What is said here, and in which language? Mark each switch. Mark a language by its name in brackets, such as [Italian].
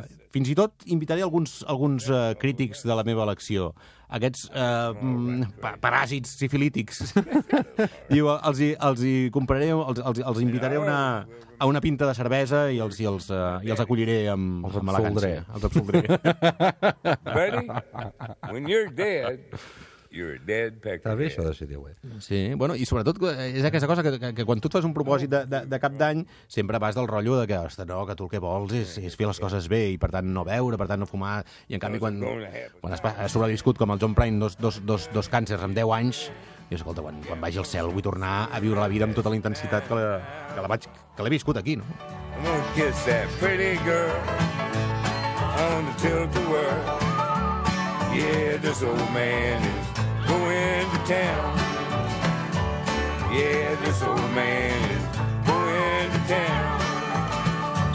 [Catalan] Fins i tot invitaré alguns crítics de la meva elecció. Aquests paràsits sifilítics. Diu, els invitaré a una pinta de cervesa i els acolliré amb elegància. Els absoldré. [English] Buddy, when you're dead, you're a dead peccary. [Catalan] Està bé això de ser Déu, eh? Sí, bueno, i sobretot és aquesta cosa que quan tu et fas un propòsit de cap d'any sempre vas del rotllo de que, hosta, no, que tu el que vols és fer les coses bé i per tant no beure, per tant no fumar, i en canvi quan has sobreviscut com el John Prine dos càncers amb 10 anys, i escolta, quan vagi al cel vull tornar a viure la vida amb tota la intensitat que l'he viscut aquí, no? [English] I'm gonna kiss that pretty girl on the tilt of world. Yeah, this old man is going to town. Yeah, this old man is going to town.